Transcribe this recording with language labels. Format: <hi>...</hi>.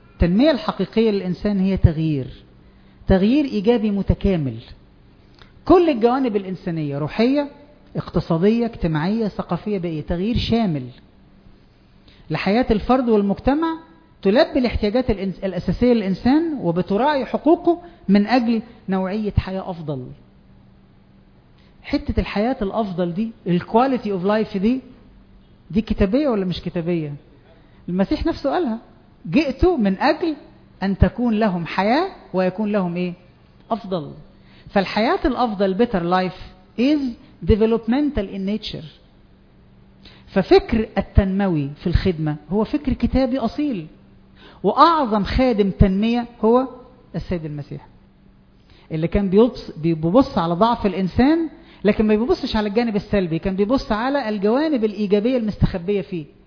<ar>التنمية الحقيقية للإنسان هي تغيير، تغيير إيجابي متكامل، كل الجوانب الإنسانية روحية اقتصادية اجتماعية ثقافية بقية، تغيير شامل لحياة الفرد والمجتمع، تلبي الاحتياجات الأساسية للإنسان وبتراعي حقوقه من أجل نوعية حياة أفضل. حتة الحياة الأفضل دي،</ar> <en>الكواليتي of life</en> <ar>دي كتابية ولا مش كتابية؟ المسيح نفسه قالها، جئت من أجل أن تكون لهم حياة ويكون لهم إيه؟ أفضل. فالحياة الأفضل</ar> <en>better life is developmental in nature.</en> <ar>ففكر التنموي في الخدمة هو فكر كتابي أصيل، وأعظم خادم تنمية هو السيد المسيح اللي كان بيبص على ضعف الإنسان، لكن ما بيبصش على الجانب السلبي، كان بيبص على الجوانب الإيجابية المستخبية فيه.</ar>